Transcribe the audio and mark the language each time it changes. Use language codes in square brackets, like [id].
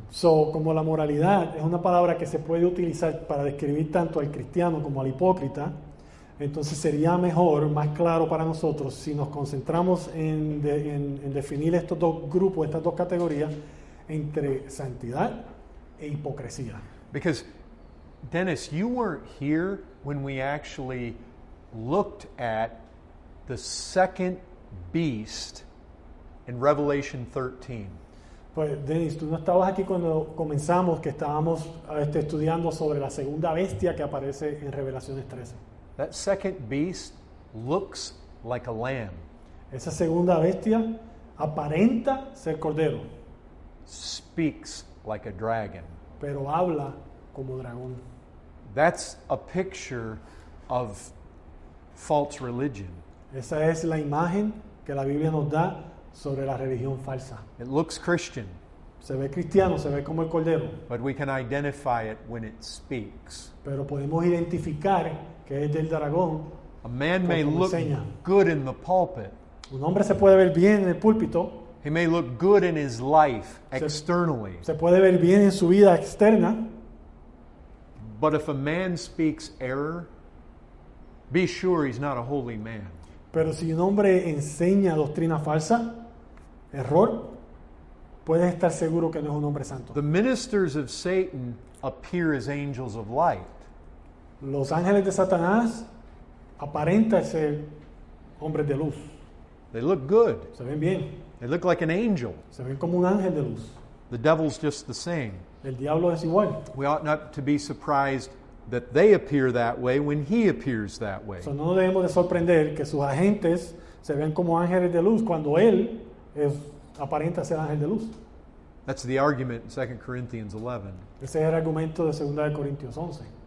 [es] So, como la moralidad es una palabra que se puede utilizar para describir tanto al cristiano como al hipócrita, entonces sería mejor, más claro para nosotros, si nos concentramos en definir estos dos grupos, estas dos categorías, entre santidad e hipocresía. [en] Because, Dennis, you weren't here when we actually looked at the second beast in Revelation 13. [es] Pues, Dennis, tú no estabas aquí cuando comenzamos, que estábamos estudiando sobre la segunda bestia que aparece en Revelaciones 13. [en] That second beast looks like a lamb. [es] Esa segunda bestia aparenta ser cordero. [en] Speaks like a dragon. [es] Pero habla como dragón. [en] That's a picture of false religion. [es] Esa es la imagen que la Biblia nos da sobre la religión falsa. [en] It looks Christian. [es] Se ve cristiano, se ve como el cordero. [en] But we can identify it when it speaks. [es] Pero podemos identificar que es del dragón. [en] A man may look good in the pulpit. [es] Un hombre se puede ver bien en el púlpito. [en] He may look good in his life externally. [es] Se puede ver bien en su vida externa. [en] But if a man speaks error, be sure he's not a holy man. [es] Pero si un hombre enseña doctrina falsa, error, puedes estar seguro que no es un hombre santo. [en] The ministers of Satan appear as angels of light. [es] Los ángeles de Satanás aparentan ser hombres de luz. [en] They look good. [es] Se ven bien. [en] They look like an angel. [es] Se ven como un ángel de luz. [en] The devil's just the same. [es] El diablo es igual. [en] We ought not to be surprised that they appear that way when he appears that way. [es] So no debemos de sorprender que sus agentes se ven como ángeles de luz cuando él es, aparenta ser ángel de luz. [en] That's the argument in 2 Corinthians 11. [es] Ese es el argumento de 2 Corintios 11.